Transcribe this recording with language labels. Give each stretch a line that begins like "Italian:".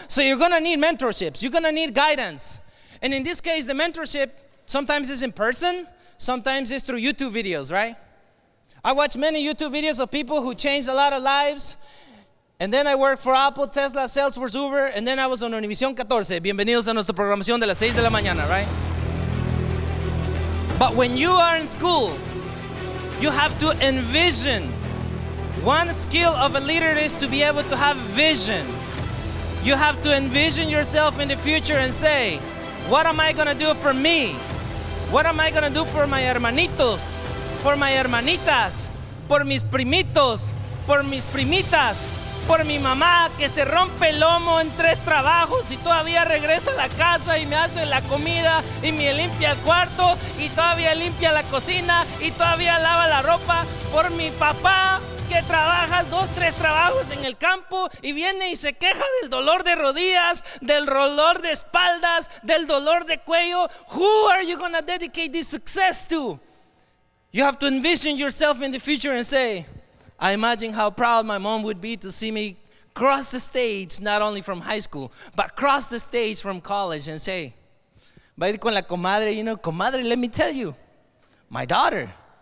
English: So you're going to need mentorships. You're going to need guidance. And in this case, the mentorship sometimes is in person. Sometimes it's through YouTube videos, right? I watch many YouTube videos of people who changed a lot of lives. And then I worked for Apple, Tesla, Salesforce, Uber, and then I was on Univision 14.
Spanish: Bienvenidos a nuestra programación de las 6 de la mañana, right?
English: But when you are in school, you have to envision. One skill of a leader is to be able to have vision. You have to envision yourself in the future and say, what am I going to do for me? What am I going to do for my hermanitos? For my
Spanish: hermanitas? Por mis primitos? Por mis primitas? Por mi mamá que se rompe el lomo en 3 trabajos y todavía regresa a la casa y me hace la comida y me limpia el cuarto y todavía limpia la cocina y todavía lava la ropa. Por mi papá que trabaja 2-3 trabajos en el campo y viene y se queja del dolor de rodillas, del dolor de espaldas, del dolor de cuello.
English: Who are you going to dedicate this success to? You have to envision yourself in the future and say, I imagine how proud my mom would be to see me cross the stage, not only from high school, but cross the stage from college and say,
Spanish: va a ir con la comadre,
English: you know, comadre, let me tell you, my daughter,